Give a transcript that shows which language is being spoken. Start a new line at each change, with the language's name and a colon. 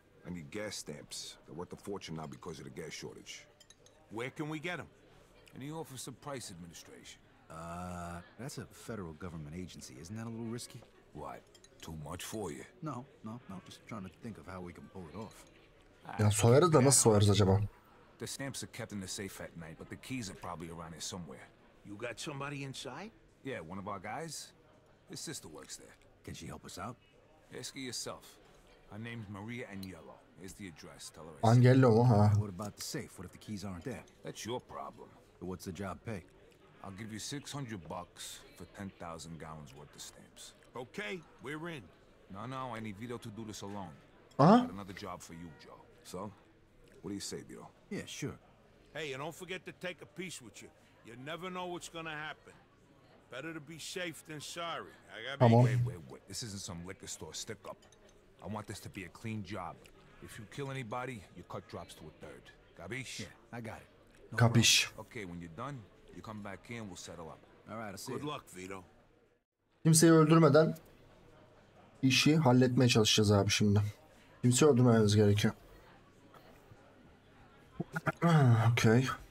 English: I need gas stamps. They're worth a fortune now because of the gas shortage. Where can we get them? In the Office of Price Administration. That's a federal government agency. Isn't that a little risky? What? Too much for you? No, no, no. Just trying to think of how we can pull it off.
Turkish: Ya soyarı da nasıl soyarız acaba?
English: The stamps are kept in the safe at night, but the keys are probably around here somewhere. You got somebody inside? Yeah, one of our guys. His sister works there. Can she help us out? Ask her yourself. Her name's Maria Angelo. Here's the address. Tell her. Angelo, huh? What about the safe? What if the keys aren't there? That's your problem. But what's the job pay? I'll give you $600 for 10,000 gallons worth of stamps. Okay, we're in. No, no, I need Vito to do this alone. Huh? Got another job for you, Joe. So, what do you say, Vito? Yeah, sure. Hey, and don't forget to take a piece with you. You never know what's gonna happen. Better to be safe than sorry. I gotta come be... on. Wait, wait, wait. This isn't some liquor store stick-up. I want this to be a clean job. If you kill anybody, your cut drops to a third. Capiche? Yeah, I got it. No capiche. Okay, when you're done, you come back in, we'll settle up. All right, I'll see Good you. Luck, Vito.
Turkish: Kimseyi öldürmeden işi halletmeye çalışacağız abi şimdi. Kimseyi öldürmememiz gerekiyor.
English: Okay.